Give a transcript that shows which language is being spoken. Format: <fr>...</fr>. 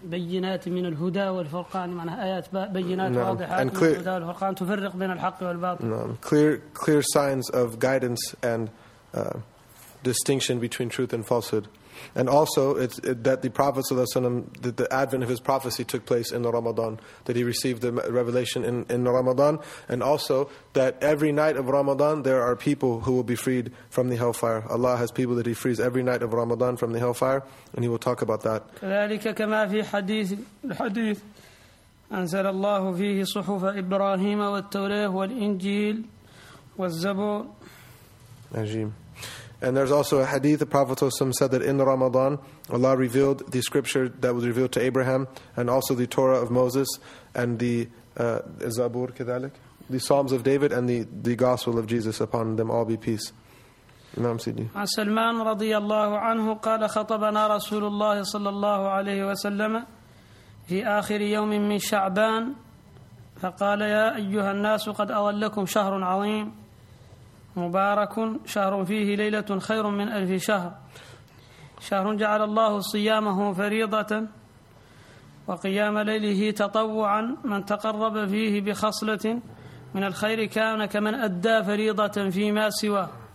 <ar>بينات من الهدى والفرقان معناها آيات بينات واضحة من الهدى والفرقان تفرق بين الحق والباطل. نعم.</ar> <en>Clear signs of guidance and distinction between truth and falsehood. And also that the Prophet</en> <ar>صلى الله عليه وسلم,</ar> <en>that the advent of his prophecy took place in Ramadan, that he received the revelation in Ramadan, and also that every night of Ramadan there are people who will be freed from the hellfire. Allah has people that he frees every night of Ramadan from the hellfire, and he will talk about that.</en> <ar>كذلك كما في حديث الحديث أنزل الله فيه صحف إبراهيم والتوراة والإنجيل والزبور. عجيب.</ar> <en>And there's also a hadith, the Prophet ﷺ said that in Ramadan, Allah revealed the scripture that was revealed to Abraham, and also the Torah of Moses, and the Zabur,</en> <ar>كذلك,</ar> <en>the Psalms of David, and the Gospel of Jesus, upon them all be peace. Imam Sidi.</en> <ar>عن سلمان رضي الله عنه قال خطبنا رسول الله صلى الله عليه وسلم في آخر يوم من شعبان فقال يا أيها الناس قد أضلكم شهر عظيم مبارك شهر فيه ليلة خير من ألف شهر شهر جعل الله صيامه فريضة وقيام ليله تطوعا من تقرب فيه بخصلة من الخير كان كمن أدى فريضة فيما سواه</ar>